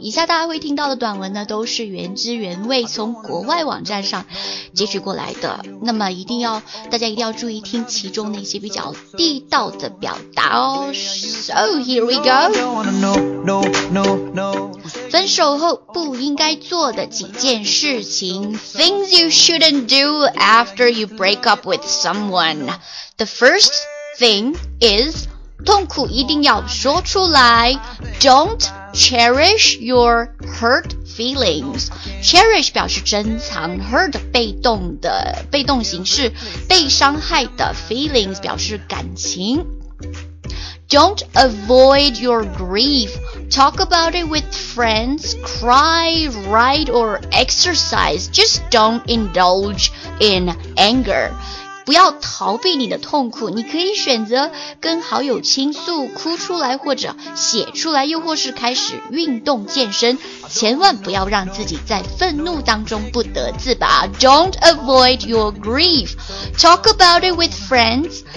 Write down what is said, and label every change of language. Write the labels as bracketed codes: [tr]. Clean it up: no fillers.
[zh] 以下大家会听到的短文呢都是原汁原味从国外网站上截取过来的，那么大家一定要注意听其中那些比较地道的表达哦。 [en] So here we go。 [zh] 分手后不应该做的几件事情。 [en] Things you shouldn't doDo after you break up with someone. The first thing is, [zh] 痛苦一定要说出来。 [en] Don't cherish your hurt feelings. [zh] Cherish 表示珍藏， hurt 被动形式，被伤害的 feelings 表示感情。 [en] Don't avoid your grief. talk about it with friends, cry, write, or exercise. Just don't indulge in anger. [zh] 不要逃避你的痛苦，你可以选择跟好友倾诉，哭出来或者写出来，又或是开始运动健身，千万不要让自己在愤怒当中不得自拔。 [en] Don't avoid your grief. Talk about it with friends.